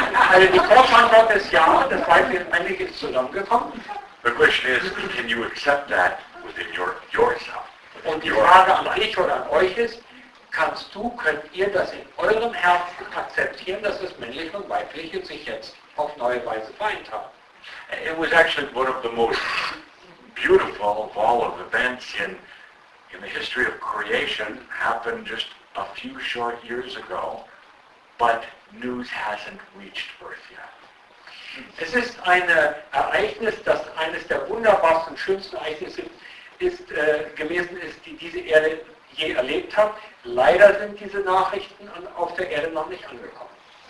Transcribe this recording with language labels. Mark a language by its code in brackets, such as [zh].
[de] Also die Kurzantwort ist ja, das weibliche und männliche ist zusammengekommen. [en] The question is, can you accept that within yourself? [de] Und die Frage an dich oder an euch ist, könnt ihr das in eurem Herzen akzeptieren, dass das männliche und weibliche sich jetzt auf neue Weise vereint haben? [en] It was actually one of the most beautiful of all of events in the history of creation happened just a few short years ago, but news hasn't reached Earth yet. [de] Es ist ein Ereignis, das eines der wunderbarsten und schönsten Ereignisse gewesen ist, die diese Erde je erlebt hat. Leider sind diese Nachrichten auf der Erde noch nicht angekommen.